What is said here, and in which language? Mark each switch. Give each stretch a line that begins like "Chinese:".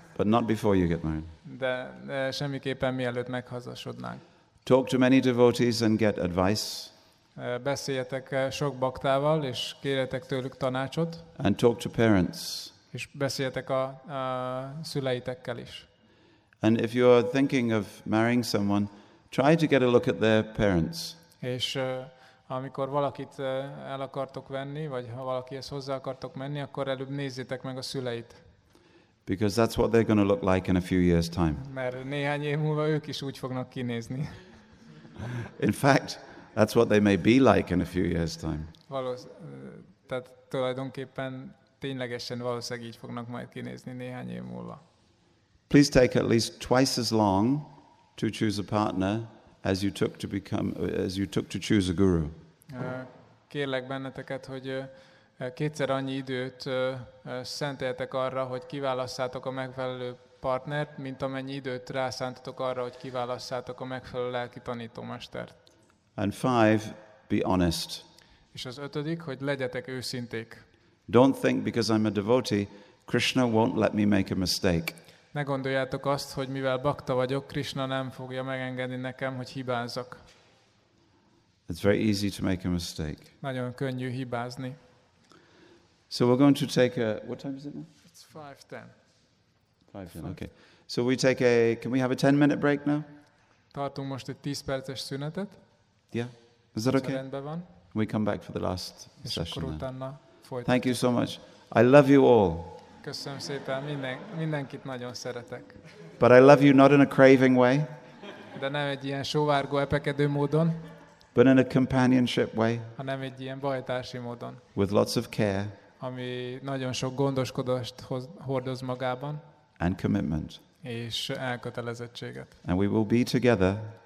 English: But not before you get married.
Hungarian: De semmiképpen mielőtt meghazasodnánk.
English: Talk to many devotees and get advice.
Hungarian: Beszéljetek sok baktával, és kérjetek tőlük tanácsot.
English: And talk to parents.
Hungarian: És beszéljetek a szüleitekkel is.
English: And if you are thinking of marrying someone, try to get a look at their parents.
Hungarian: És amikor valakit el akartok venni, vagy ha valakihez hozzá akartok menni, akkor előbb nézzétek meg a szüleit.
English: Because that's what they're going to look like in a few years' time.
Hungarian: Mert néhány év múlva ők is úgy fognak kinézni.
English: In fact, that's what they may be like in a few years' time.
Hungarian: Tehát tulajdonképpen ténylegesen valószínűleg így fognak majd kinézni néhány év múlva.
English: Please take at least twice as long to choose a partner as you took to become, as you took to choose a guru.
Hungarian: Kérlek benneteket, hogy kétszer annyi időt szenteljetek arra, hogy kiválasszátok a megfelelő partnert, mint amennyi időt rászántatok arra, hogy kiválasszátok a megfelelő lelki tanítómestert.
English: And five, be honest.
Hungarian: És az ötödik, hogy legyetek őszinték.
English: Don't think because I'm a devotee, Krishna won't let me make a mistake.
Hungarian: Ne gondoljátok azt, hogy mivel bakta vagyok, Krishna nem fogja megengedni nekem, hogy hibázzak.
English: It's very easy to make a mistake.
Hungarian: Nagyon könnyű hibázni.
English: So we're going to take a... What time is it now? It's 5:10. 5:10, okay. So we take a... Can we have a 10-minute break now?
Hungarian: Tartunk most egy 10 perces szünetet.
English: Yeah. Is that okay?
Hungarian: Rendben van.
English: We come back for the last
Hungarian: és
English: session.
Hungarian: Akkor utána folytatjuk.
English: Thank you so much. I love you all.
Hungarian: Köszönöm szépen, mindenkit nagyon szeretek.
English: But I love you not in a craving way.
Hungarian: De nem egy ilyen sóvárgó, epekedő módon.
English: But in a companionship way.
Hungarian: Hanem egy ilyen bajtársi módon.
English: With lots of care.
Hungarian: Ami nagyon sok gondoskodást hordoz magában.
English: And commitment.
Hungarian: És elkötelezettséget.
English: And we will be together.